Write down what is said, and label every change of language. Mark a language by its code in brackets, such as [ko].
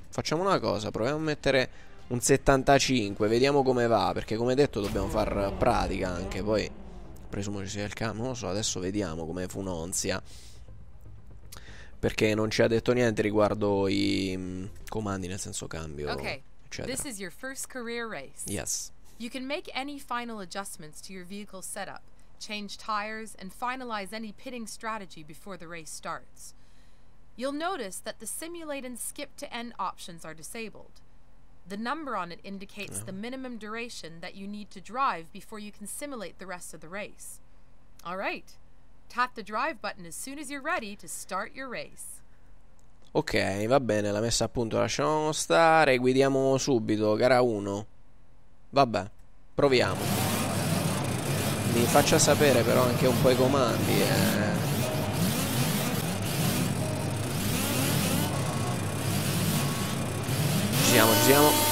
[it] Facciamo una cosa, proviamo a mettere un 75%, vediamo come va. Perché come detto dobbiamo far pratica anche. Poi presumo ci sia il cam. Non lo so, adesso vediamo come funzionia. Perché non ci ha detto niente riguardo i comandi, nel senso cambio. [en] Ok, eccetera. This is your first career race. Yes. You can make any final adjustments to your vehicle setup, change tires and finalize any pitting strategy before the race starts. You'll notice that the simulate and skip to end options are disabled. The number on it indicates the minimum duration that you need to drive before you can simulate the rest of the race. All right. Tap the drive button as soon as you're ready to start your race. [it] Ok, va bene, la messa a punto lasciamo stare, guidiamo subito, gara 1. Vabbè, proviamo. Mi faccia sapere però anche un po' i comandi, Ci siamo.